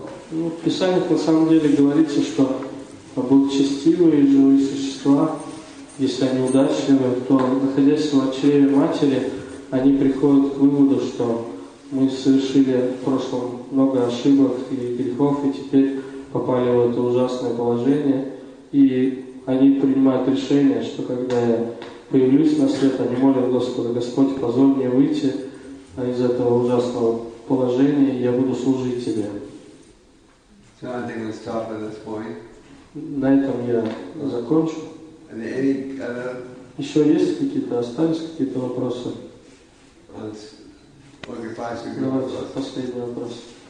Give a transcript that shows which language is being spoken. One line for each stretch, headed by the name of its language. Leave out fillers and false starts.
Russian: Ну, в Писаниях на самом деле говорится, что будут честивые живые существа, если они удачливые, то, находясь в чреве матери, они приходят к выводу, что мы совершили в прошлом много ошибок и грехов, и теперь попали в это ужасное положение. И они принимают решение, что когда я появлюсь на свет, они молят Господа, Господь, позволь мне выйти из этого ужасного положение, я буду служить тебе.
English: So I think we'll stop at this point.
Russian: На этом я закончу.
English: And any other...
Russian: Еще есть какие-то, остались какие-то вопросы? Давайте последний вопрос.